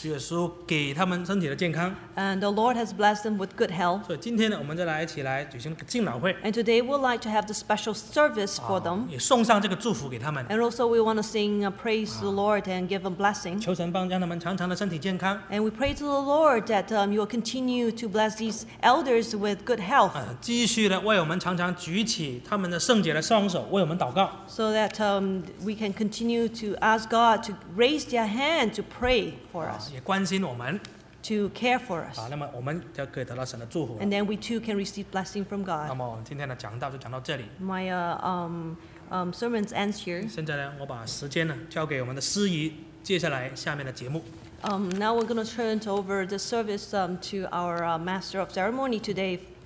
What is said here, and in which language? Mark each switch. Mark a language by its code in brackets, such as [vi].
[zh] 主耶稣给他们身体的健康。 [en] And the Lord has blessed them with good health. [zh] 所以今天呢，我们再来一起来举行敬老会。 [en] And today we'd like to have the special service for them. [zh] 也送上这个祝福给他们。 [en] And also we want to sing praise the Lord and give them blessing. [zh] 求神帮助他们长长的身体健康。 [en] And we pray to the Lord that you will continue to bless these elders with good health. [zh] 继续的为我们常常举起他们的圣洁的双手为我们祷告 [en] so that we can continue to ask God to raise their hand to pray for us [zh] 也关心我们 [en] to care for us [zh] 那么我们就可以得到神的祝福 [en] and then we too can receive blessing from God [zh] 那么我们今天的讲道就讲到这里 [en] my sermon's ends here [zh] 现在呢我把时间呢交给我们的司仪接下来下面的节目 [en] now we're going to turn over the service to our master of ceremony today